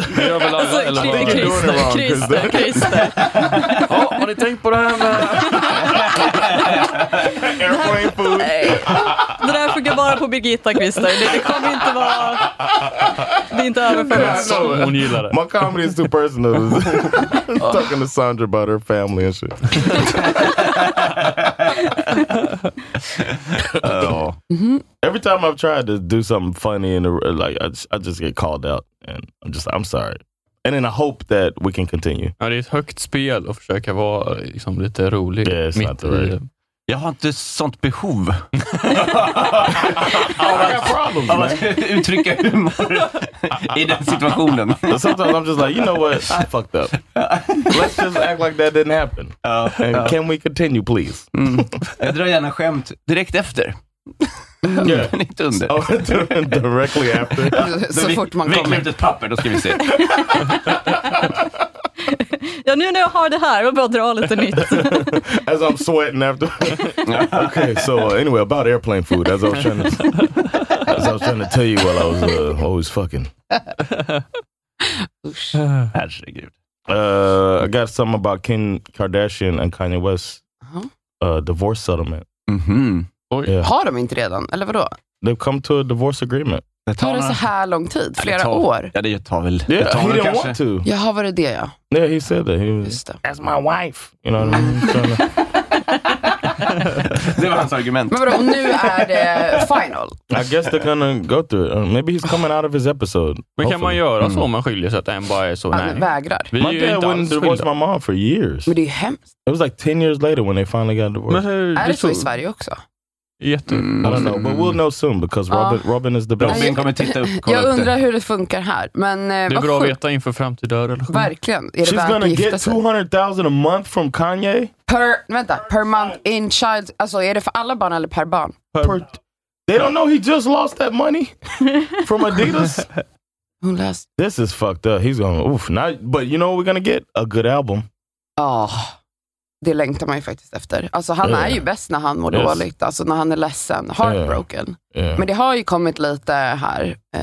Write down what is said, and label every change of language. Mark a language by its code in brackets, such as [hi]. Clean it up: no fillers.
[sv] Väl, gör väl alla, eller vad? Christer. Ja, har ni tänkt på det här med [en] airplane food? [sv] Nej. Det där funkar bara på Birgitta, Christer. Det kommer inte vara, det är inte över för oss. Hon gillar det. [en] My comedy is too personal. Talking to Sandra about her family and shit. Every time I've tried to do something funny and like I just get called out and I'm sorry. And then I hope that we can continue. [sv] Ja, det är ett högt spel att försöka vara liksom lite rolig. Yeah, mitt i right. Jag har inte sånt behov. [en] I got problems, man. [sv] Uttrycka humor i den situationen. [en] Sometimes I'm just like, you know what? I fucked up. Let's just act like that didn't happen. Can we continue, please? [sv] Jag drar gärna skämt direkt efter. Men inte under. [en] Directly after. [sv] Så fort man kommer. Vi klämt ett papper, då ska vi se. Ja, nu när jag har det här, jag bara dra lite nytt. [en] As I'm sweating after. Okay, so anyway, about airplane food. As I was trying to tell you while I was always fucking. [sv] Herregud. [en] I got something about Kim Kardashian and Kanye West. Divorce settlement. Mm-hmm. Yeah. [sv] Har de inte redan, eller vadå? [en] They've come to a divorce agreement. [sv] Det tar så här lång tid, flera år. Ja, det tar väl. [en] Yeah, [sv] det tar [en] he didn't [sv] kanske. [en] Want to. [sv] Jag har varit det, ja. [en] Yeah, he said that. He was, that's my wife. You know what I mean? [sv] Det var hans argument. Men vadå, nu är det final. [en] I guess they're gonna go through it. Maybe he's coming out of his episode. [sv] Men hopefully. Kan man göra så om man skiljer sig att en bara är så nej? Han vägrar. [en] My dad wouldn't divorce my mom for years. [sv] Men det är hemskt. [en] It was like 10 years later when they finally got divorced. [sv] Men hur, är det så i Sverige också? Jättebra. [en] I don't know, but we'll know soon because Robin is the best. [sv] Robin kommer titta upp. Jag undrar hur det funkar här, men det är bra att veta inför framtida relation. Verkligen. [en] She's gonna get 200,000 a month from Kanye. Per month in child. [sv] Alltså är det för alla barn eller per barn? Per. [en] They don't know he just lost that money from Adidas. Who lost? This is fucked up. He's gonna oof. Not, but you know what we're gonna get? A good album. Oh. [sv] Det längtar man ju faktiskt efter. Alltså han är ju bäst när han mår dåligt. Alltså när han är ledsen. [en] Heartbroken. Yeah. [sv] Men det har ju kommit lite här.